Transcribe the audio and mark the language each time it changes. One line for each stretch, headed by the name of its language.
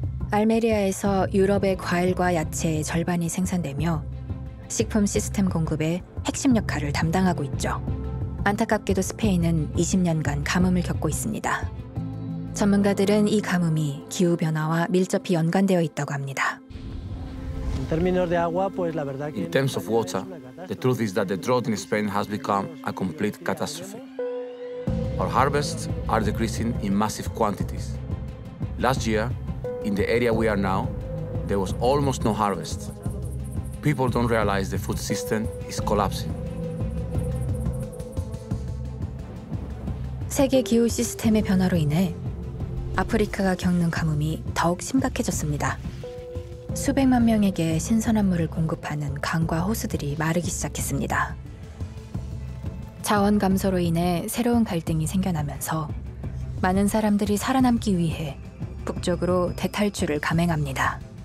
Korean: 알메리아에서 유럽의 과일과 야채의 절반이 생산되며 식품 시스템 공급의 핵심 역할을 담당하고 있죠. 안타깝게도 스페인은 20년간 가뭄을 겪고 있습니다. 전문가들은 이 가뭄이 기후변화와 밀접히 연관되어 있다고 합니다.
English: In terms of water, the truth is that the drought in Spain has become a complete catastrophe. Our harvests are decreasing in massive quantities. Last year, in the area we are now, there was almost no harvest. People don't realize the food system is collapsing.
Korean: 세계 기후 시스템의 변화로 인해 아프리카가 겪는 가뭄이 더욱 심각해졌습니다. 수백만 명에게 신선한 물을 공급하는 강과 호수들이 마르기 시작했습니다. 자원 감소로 인해 새로운 갈등이 생겨나면서 많은 사람들이 살아남기 위해 북쪽으로 대탈출을 감행합니다.